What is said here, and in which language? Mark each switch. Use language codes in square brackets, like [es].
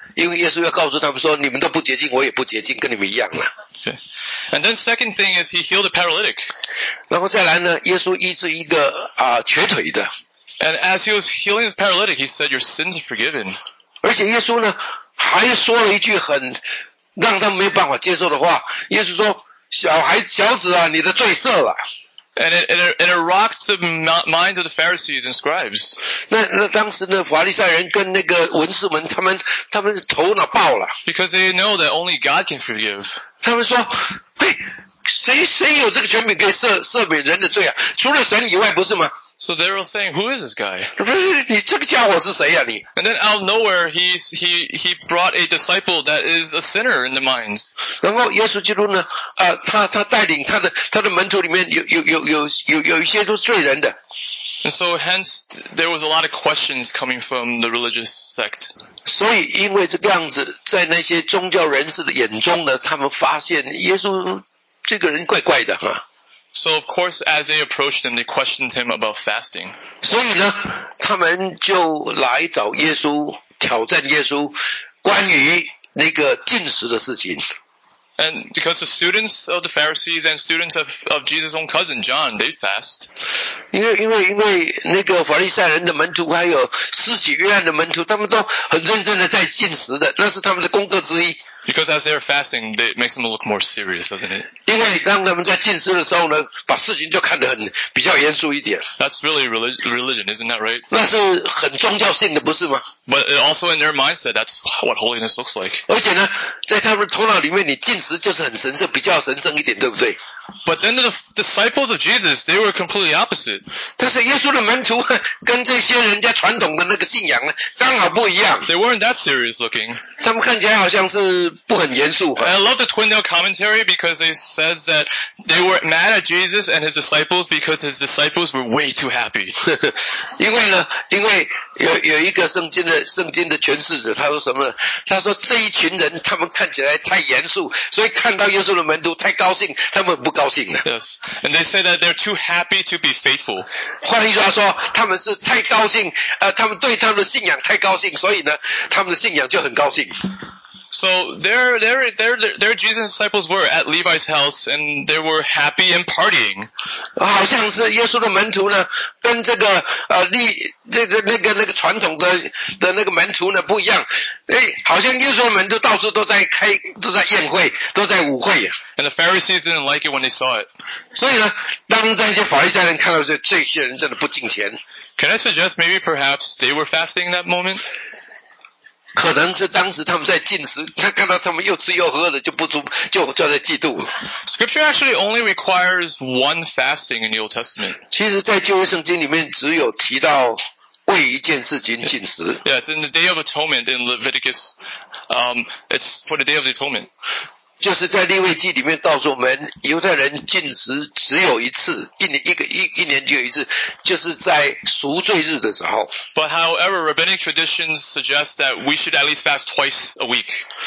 [zh] 因为耶稣要告诉他们说，你们都不洁净，我也不洁净，跟你们一样了。 [en] Okay. And then second thing is he healed a paralytic. [zh] 然后再来呢，耶稣医治一个啊瘸腿的。 [en] And as he was healing his paralytic, he said, "Your sins are forgiven." [zh] 而且耶稣呢，还说了一句很让他们没办法接受的话。耶稣说，小孩小子啊，你的罪赦了。 [en] And it rocked the minds of the Pharisees and scribes. [zh] 那当时呢，法利赛人跟那个文士们，他们头脑爆了。 [en] Because they know that only God can forgive. [zh] 他们说，嘿，谁有这个权柄可以赦免人的罪啊？除了神以外，不是吗？ [en] So they were saying, who is this guy? [zh] 你这个家伙是谁啊你? [en] And then out of nowhere, he brought a disciple that is a sinner in the minds. [zh] 然后耶稣基督呢、他带领他的门徒里面有一些都是罪人的。 [en] And so hence, there was a lot of questions coming from the religious sect. [zh] 所以因为这个样子在那些宗教人士的眼中呢他们发现耶稣这个人怪怪的。 [en] So of course, as they approached him, they questioned him about fasting. [zh] 所以呢，他们就来找耶稣，挑战耶稣关于那个禁食的事情。 [en] And because the students of the Pharisees and students of Jesus' own cousin John, they fast. [zh] 因为那个法利赛人的门徒还有施洗约翰的门徒，他们都很认真的在禁食的，那是他们的功课之一。 [en] Because as they're fasting, it makes them look more serious, doesn't it? [zh] 因为当他们在禁食的时候呢，把事情就看得很比较严肃一点。 [en] That's really religion, isn't that right? [zh] 那是很宗教性的，不是吗？ [en] But also in their mindset, that's what holiness looks like. [zh] 而且呢，在他们头脑里面，你禁食就是很神圣，比较神圣一点，对不对？ [en] But then the disciples of Jesus, they were completely opposite. [zh] 但是耶稣的门徒跟这些人家传统的那个信仰呢，刚好不一样。 [en] They weren't that serious looking. [zh] 他们看起来好像是。不很严肃。 [en] And I love the Twindale commentary because it says that they were mad at Jesus and his disciples because his disciples were way too happy. [zh] 因为呢，因为有一个圣经的诠释者，他说什么？他说这一群人他们看起来太严肃，所以看到耶稣的门徒太高兴，他们不高兴了。 [en] Yes, and they say that they're too happy to be faithful. [zh] 换句话说，他们是太高兴，他们对他们的信仰太高兴，所以呢，他们的信仰就很高兴。 [en] So there Jesus' disciples were at Levi's house, and they were happy and partying. [zh] 好像是耶稣的门徒呢，跟这个那个传统的那个门徒呢不一样。哎，好像耶稣的门徒到处都在宴会，都在舞会。 [en] And the Pharisees didn't like it when they saw it. [zh] 所以呢，当这些法利赛人看到这些人真的不敬虔。 [en] Can I suggest maybe perhaps they were fasting that moment? [zh] 可能是当时他们在禁食，他看到他们又吃又喝的，就在嫉妒了。 [en] Scripture actually only requires one fasting in the Old Testament. [zh] 其实，在旧约圣经里面，只有提到为一件事情禁食。 [en] Yeah, it's in the Day of Atonement in Leviticus. It's for the Day of the Atonement. [zh] 就是在利未记里面告诉我们，犹太人禁食只有一次，一年就有一次，就是在赎罪日的时候。 [en] But however, rabbinic traditions suggest that we should at least fast twice a week.